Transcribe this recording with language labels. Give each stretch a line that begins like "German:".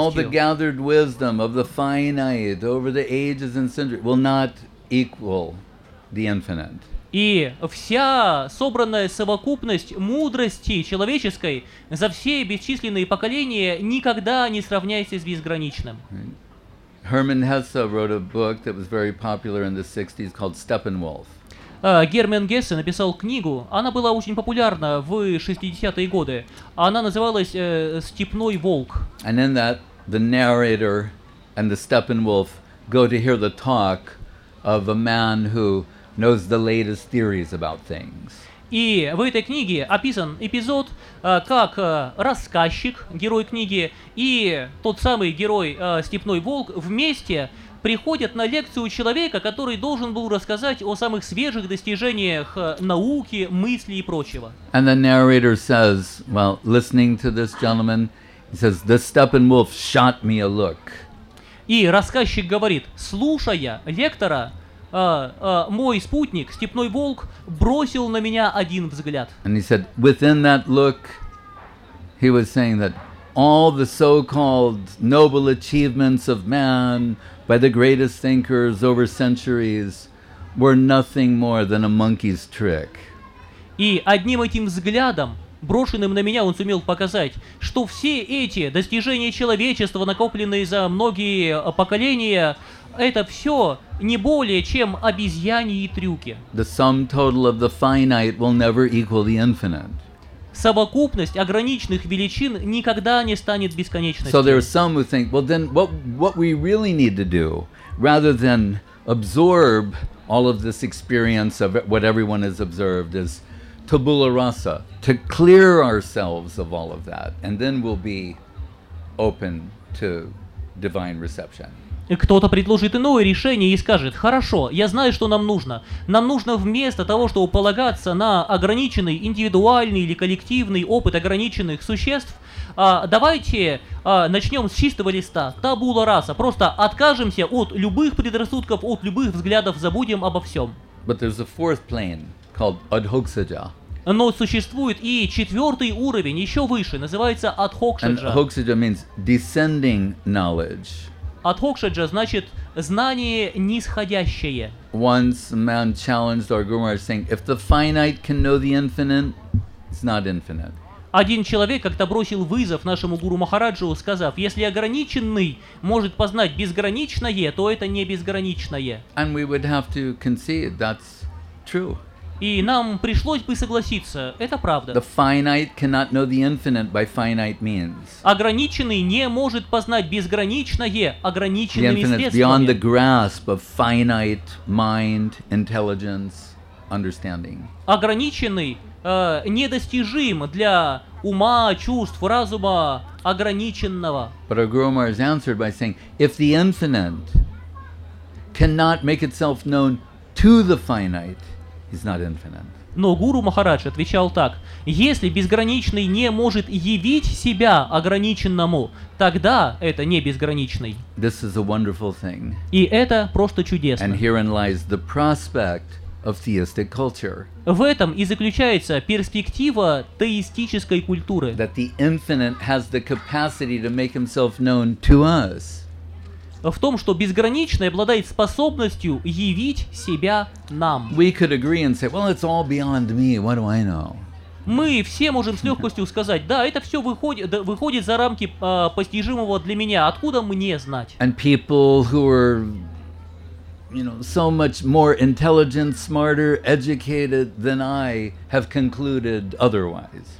English: All the gathered wisdom of the finite over the ages and centuries will not equal the infinite.
Russian: И вся собранная совокупность мудрости человеческой за все бесчисленные поколения никогда не сравняется с безграничным.
English: Hermann Hesse wrote a book that was very popular in the 60s called Steppenwolf.
Russian: Герман Гессе написал книгу, она была очень популярна в 60-е годы. Она называлась «Степной волк».
English: And in that, the narrator and the Steppenwolf go to hear the talk of a man who knows the latest theories about things.
Russian: И в этой книге описан эпизод, как рассказчик, герой книги, и тот самый герой Степной Волк вместе приходят на лекцию человека, который должен был рассказать о самых свежих достижениях науки, мысли и прочего.
English: And the narrator says, while listening to this gentleman, he says, "The Steppenwolf shot me a look."
Russian: И рассказчик говорит, слушая лектора, мой спутник, Степной Волк, бросил на меня один взгляд.
English: And he said, within that look, he was saying that all the so-called noble achievements of man by the greatest thinkers over centuries were nothing more than a monkey's trick.
Russian: И одним этим взглядом, брошенным на меня, он сумел показать, что все эти достижения человечества, накопленные за многие поколения, это все не более чем обезьяньи и трюки.
English: The sum total of the finite will never equal the infinite.
Russian: Совокупность ограниченных величин никогда не станет бесконечностью.
English: So there are some who think, well, then what we really need to do, rather than absorb all of this experience of what everyone has observed, is tabula rasa, to clear ourselves of all of that, and then we'll be open to divine reception.
Russian: Кто-то предложит иное решение и скажет: «Хорошо, я знаю, что нам нужно. Нам нужно вместо того, чтобы полагаться на ограниченный индивидуальный или коллективный опыт ограниченных существ, давайте начнем с чистого листа, табула раса. Просто откажемся от любых предрассудков, от любых взглядов, забудем обо всем».
English: But there's a fourth plane called Adhoksaja.
Russian: Но существует и четвертый уровень, еще выше, называется Adhoksaja.
English: And Adhoksaja means descending knowledge.
Russian: Адхокшаджа значит знание нисходящее.
English: Once a man challenged our Guru Maharaj, saying, if the finite can know the infinite, it's not infinite.
Russian: Один человек как-то бросил вызов нашему Гуру Махараджу, сказав: если ограниченный может познать безграничное, то это не безграничное.
English: And we would have to concede that's true.
Russian: И нам пришлось бы согласиться, это правда.
English: The finite cannot know the infinite by finite means.
Russian: Ограниченный не может познать безграничное ограниченными средствами.
English: The infinite is beyond the grasp of finite mind, intelligence, understanding.
Russian: Ограниченный недостижим для ума, чувств, разума ограниченного.
English: But our Guru Maharaj answered by saying, if the infinite cannot make itself known to the finite, he's not infinite.
Russian: Но Гуру Махарадж отвечал так: если безграничный не может явить себя ограниченному, тогда это не безграничный.
English: This is a wonderful thing.
Russian: И это просто чудесно.
English: And herein lies the prospect of theistic culture.
Russian: В этом и заключается перспектива теистической культуры.
English: That the infinite has the capacity to make himself known to us.
Russian: В том, что безграничный обладает способностью явить себя нам.
English: We could agree and say, well, it's all beyond me, what do I know?
Russian: Мы все можем с легкостью сказать: да, это все выходит за рамки постижимого для меня, откуда мне знать?
English: And people who are, you know, so much more intelligent, smarter, educated than I have concluded otherwise.